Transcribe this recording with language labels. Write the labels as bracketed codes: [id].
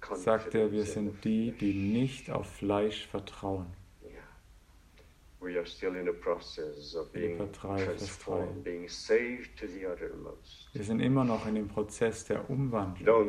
[de] sagt er, wir sind die, die nicht auf Fleisch vertrauen. [en] Yeah. We are still in the process of being [de] Philipper 3, Vers 3. [en] Being saved to the uttermost. [de] Wir sind immer noch in dem Prozess der Umwandlung.